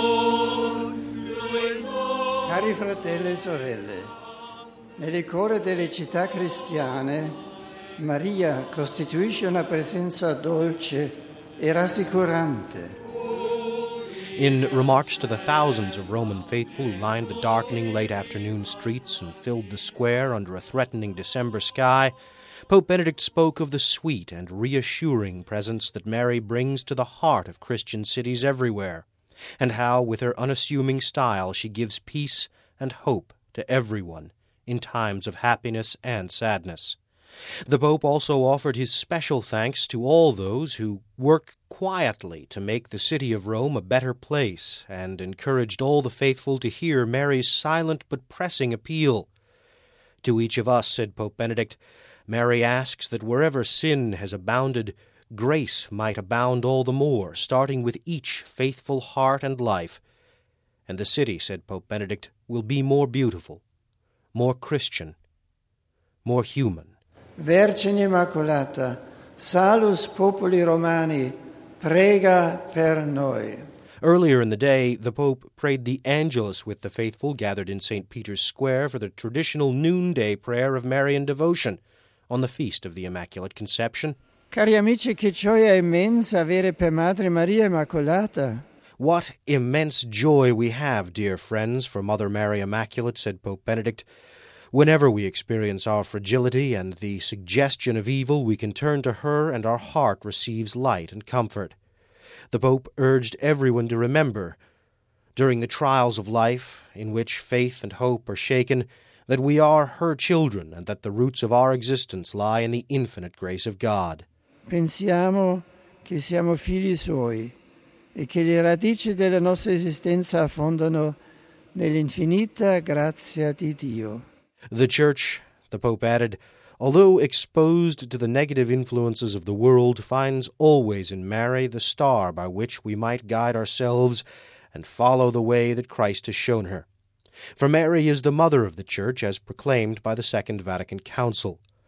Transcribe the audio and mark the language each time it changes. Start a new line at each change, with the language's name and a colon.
Italian: Cari fratelli e sorelle, nel cuore delle città cristiane, Maria costituisce una presenza dolce e rassicurante.
English: In remarks to the thousands of Roman faithful who lined the darkening late afternoon streets and filled the square under a threatening December sky, Pope Benedict spoke of the sweet and reassuring presence that Mary brings to the heart of Christian cities everywhere, and how, with her unassuming style, she gives peace and hope to everyone in times of happiness and sadness. The Pope also offered his special thanks to all those who work quietly to make the city of Rome a better place and encouraged all the faithful to hear Mary's silent but pressing appeal. To each of us, said Pope Benedict, Mary asks that wherever sin has abounded, grace might abound all the more, starting with each faithful heart and life. And the city, said Pope Benedict, will be more beautiful, more Christian, more human.
Italian: Vergine Immacolata,
Latin: salus populi Romani,
Italian: prega per noi.
English: Earlier in the day, the Pope prayed the Angelus with the faithful gathered in St. Peter's Square for the traditional noonday prayer of Marian devotion on the Feast of the Immaculate Conception.
Italian: Cari amici, che gioia immensa avere per Madre Maria Immacolata.
English: What immense joy we have, dear friends, for Mother Mary Immaculate, said Pope Benedict. Whenever we experience our fragility and the suggestion of evil, we can turn to her and our heart receives light and comfort. The Pope urged everyone to remember, during the trials of life in which faith and hope are shaken, that we are her children and that the roots of our existence lie in the infinite grace of God.
Italian: Pensiamo che siamo figli suoi e che le radici della nostra esistenza affondano nell'infinita grazia di Dio.
English: The Church, the Pope added, although exposed to the negative influences of the world, finds always in Mary the star by which we might guide ourselves and follow the way that Christ has shown her. For Mary is the mother of the Church, as proclaimed by the Second Vatican Council.